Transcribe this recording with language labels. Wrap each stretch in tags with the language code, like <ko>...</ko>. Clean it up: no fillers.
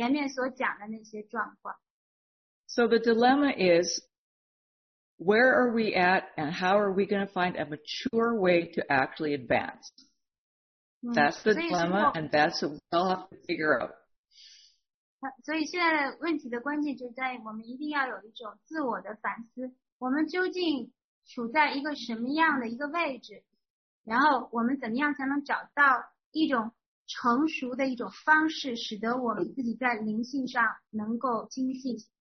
<zh>他故意在这第一篇到第九篇当中啊，很多地方都讲到了这些话题。其实他有一个暗含的一个深意，就是说你没有经历这一切的话，你不要奢望着说你立刻就跳到了那个第十篇，你能明白，你能懂，就是你必须要突破前面所讲的那些状况。</zh> <en>So the dilemma is, where are we at and how are we going to find a mature way to actually advance? That's the dilemma and that's what we all have to figure out.</en> <zh>所以现在的问题的关键就在我们一定要有一种自我的反思。我们究竟处在一个什么样的一个位置？然后我们怎么样才能找到一种成熟的一种方式，使得我们自己在灵性上能够精进？</zh>